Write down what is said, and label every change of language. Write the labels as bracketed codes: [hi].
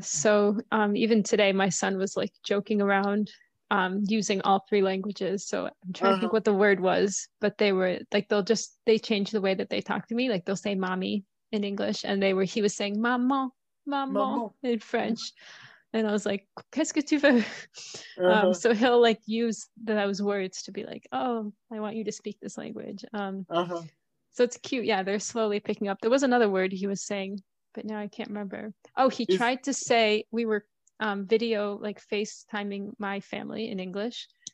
[en] So even today, my son was like joking around. Using all three languages. So I'm trying to think what the word was, but they were like, they change the way that they talk to me. Like they'll say mommy in English and he was saying maman, maman in French. [fr] And I was like, qu'est-ce que tu veux? Uh-huh. [en] So he'll like use those words to be like, oh, I want you to speak this language. So it's cute. Yeah, they're slowly picking up. There was another word he was saying, but now I can't remember. Oh, he tried to say we were video, like FaceTiming my family in English.